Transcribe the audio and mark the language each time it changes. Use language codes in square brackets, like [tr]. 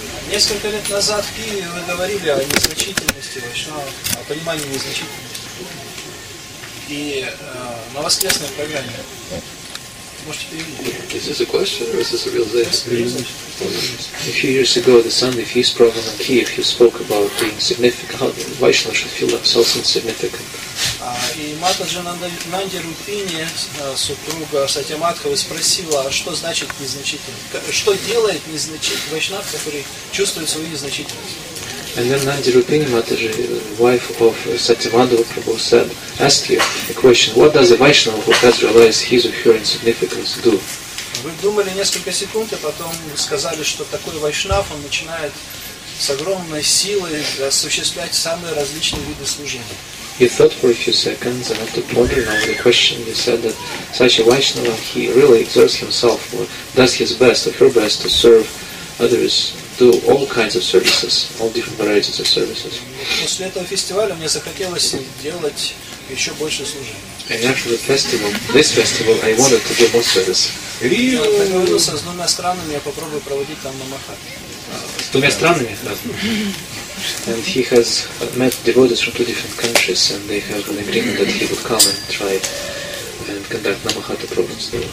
[ru] Несколько лет назад в Киеве вы говорили о незначительности вайшнавов, о понимании незначительности. И на воскресной программе можете перевести. [en] Is this a question or is this a real thing? A few years ago, the Sunday Feast program in Kiev, you spoke about being significant, how Vaishnavas should feel themselves insignificant. [ru] И Матаджи Нанди Рупини, супруга Сатьяматхавы, спросила, что значит незначительность, что делает незначительность Вайшнав, который чувствует свою незначительность. [en] And then Nandi Rupini, Mataji, wife of Satyamadhava Prabhu, said, asked you a question, what does a Vaishnava who has realized his or her insignificance do? [ru] Вы думали несколько секунд, а потом сказали, что такой вайшнав, он начинает с огромной силой осуществлять самые различные виды служения. [en] You thought for a few seconds, and after pondering over the question, you said that such a vaishnava, he really exerts himself, or does his best, or her best, to serve others, do all kinds of services, all different varieties of services. [ru] После этого фестиваля мне захотелось делать еще больше служения. [en] And after the festival, this festival, I wanted to do more service. [ru] С двумя странами я попробую проводить там намахат. С двумя странами? [en] And he has met devotees from two different countries, and they have an agreement that he would come and try and conduct Namahata programs